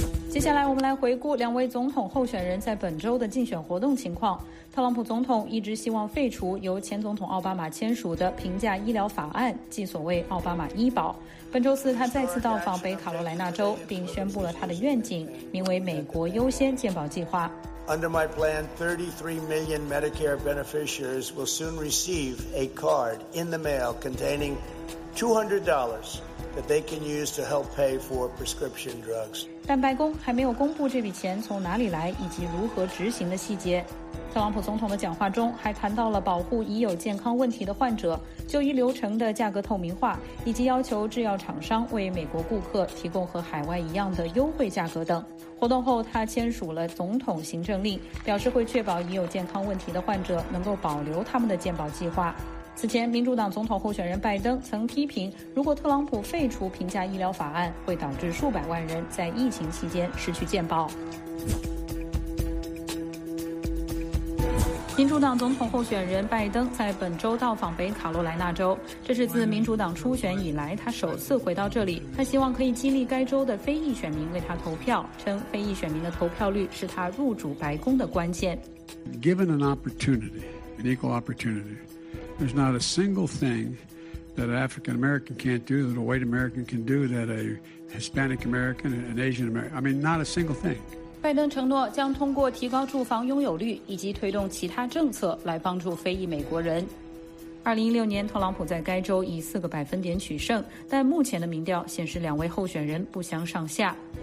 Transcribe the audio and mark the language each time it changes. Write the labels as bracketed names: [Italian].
[Chinese] 接下来我们来回顾两位总统候选人在本周的竞选活动情况。特朗普总统一直希望废除由前总统奥巴马签署的平价医疗法案，即所谓奥巴马医保。本周四他再次到访北卡罗来纳州，并宣布了他的愿景，名为美国优先健保计划。 [English] Under my plan, 33 million Medicare beneficiaries will soon receive a card in the mail containing $200 that they can use to help pay for prescription drugs. [Chinese] 但白宫还没有公布这笔钱从哪里来以及如何执行的细节。特朗普总统的讲话中还谈到了保护已有健康问题的患者、就医流程的价格透明化，以及要求制药厂商为美国顾客提供和海外一样的优惠价格等。活动后，他签署了总统行政令，表示会确保已有健康问题的患者能够保留他们的健保计划。此前，民主党总统候选人拜登曾批评，如果特朗普废除平价医疗法案，会导致数百万人在疫情期间失去健保。民主党总统候选人拜登在本周到访北卡罗来纳州，这是自民主党初选以来他首次回到这里。他希望可以激励该州的非裔选民为他投票，称非裔选民的投票率是他入主白宫的关键。 [English] Given an opportunity, an equal opportunity, there's not a single thing that an African American can't do that a white American can do that a Hispanic American, an Asian American, I mean, not a single thing. [Chinese] 拜登承诺将通过提高住房拥有率以及推动其他政策来帮助非裔美国人。 2016年，特朗普在该州以4%取胜，但目前的民调显示两位候选人不相上下。